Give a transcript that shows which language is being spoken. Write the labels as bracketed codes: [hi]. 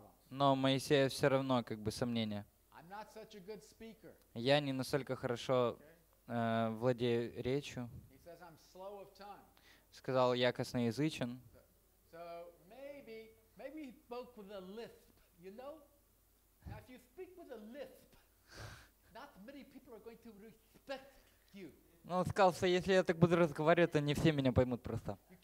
[ru] Но Моисея все равно как бы сомнения. [en] I'm not such a good speaker. [ru] Я не настолько хорошо владею речью. [en] He says, I'm slow of tongue. [ru] Сказал, я косноязычен. [en] So maybe he spoke with a lisp, you know? Now if you speak with a lisp, not many people are going to respect you. [ru] Ну, он сказал, что если я так буду разговаривать, то не все меня поймут просто.